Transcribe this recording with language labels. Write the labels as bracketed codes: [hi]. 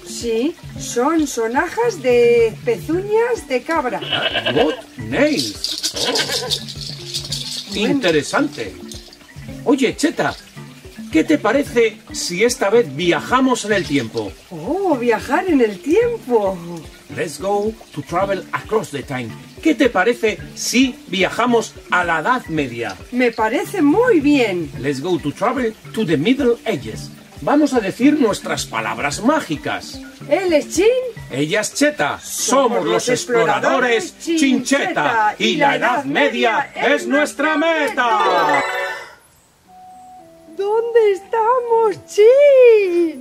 [es] Sí, son sonajas de pezuñas de cabra. [en] Goat nails. Oh. [es] Bueno. Interesante. Oye, Cheta, ¿qué te parece si esta vez viajamos en el tiempo? Oh, viajar en el tiempo. [en] Let's go to travel across the time. [es] ¿Qué te parece si viajamos a la Edad Media? Me parece muy bien. [en] Let's go to travel to the Middle Ages. [es] Vamos a decir nuestras palabras mágicas. Él es Chin. Ella es Cheta. Somos los exploradores Chincheta. Y la Edad Media es nuestra meta. ¿Dónde estamos, Chin?